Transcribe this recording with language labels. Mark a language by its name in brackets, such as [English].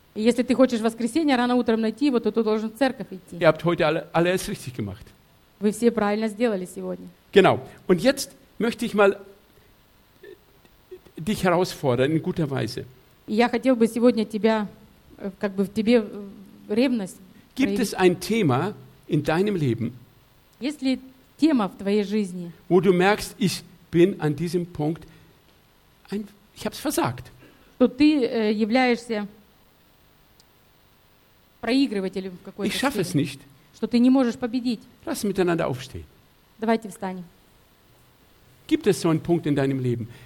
[Russian] Если ты хочешь в воскресенье рано утром найти его, то ты должен в церковь идти. [German] Ihr habt heute alles richtig gemacht. [Russian] Вы все правильно сделали сегодня. [German] Genau. Und jetzt möchte ich mal dich herausfordern in guter Weise. [Russian] Я хотел бы сегодня тебя, как бы в тебе ревность. [German] Gibt es ein Thema in deinem Leben? [Russian] Если Thema в твоей жизни. [German] Wo du merkst, ich bin an diesem Punkt ich habe es versagt. [Russian] То ты являешься проигрывателем в какой-то сфере. [German] Ich schaffe es nicht. [Russian] Что ты не можешь победить. [German] Lass uns miteinander aufstehen. [Russian] Давайте встанем. [German] Gibt es so einen Punkt in deinem Leben?